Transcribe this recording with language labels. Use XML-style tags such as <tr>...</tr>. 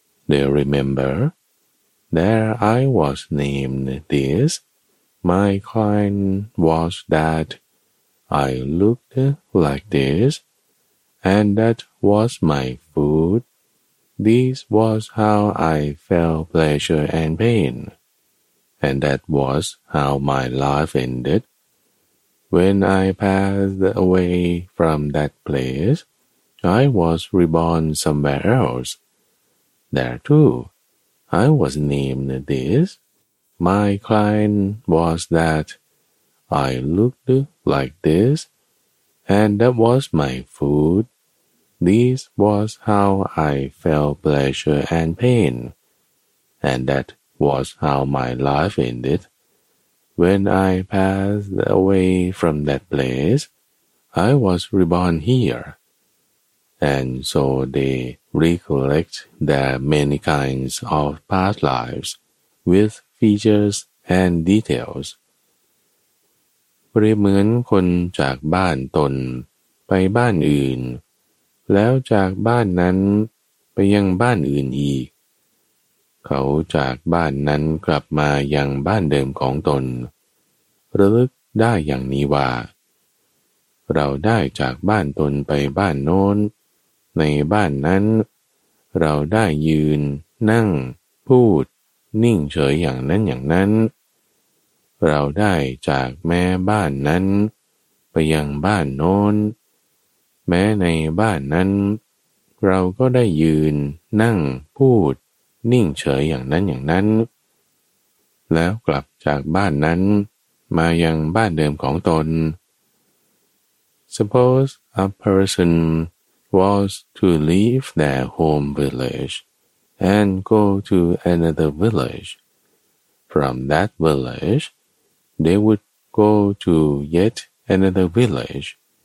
<en>They remember there I was named this my kind was that I looked like this and that was my food this was how I felt pleasure and painAnd that was how my life ended. When I passed away from that place, I was reborn somewhere else. There too, I was named this. My kind was that. I looked like this. And that was my food. This was how I felt pleasure and pain. And thatwas how my life ended. When I passed away from that place, I was reborn here. And so they recollect their many kinds of past lives with features and details.</en> <th>เปรียบเหมือนคนจากบ้านตนไปบ้านอื่นแล้วจากบ้านนั้นไปยังบ้านอื่นอีกเขาจากบ้านนั้นกลับมายังบ้านเดิมของตนระลึกได้อย่างนี้ว่า เราได้จากบ้านตนไปบ้านโน้นในบ้านนั้นเราได้ยืนนั่งพูดนิ่งเฉยอย่างนั้นอย่างนั้นเราได้จากแม่บ้านนั้นไปยังบ้านโน้นแม้ในบ้านนั้นเราก็ได้ยืนนั่งพูดนิ่งเฉยอย่างนั้นอย่างนั้นแล้วกลับจากบ้านนั้นมายังบ้านเดิมของตน</th> <en>Suppose a person was to leave their home village and go to another village. From that village, they would go to yet another village.</en>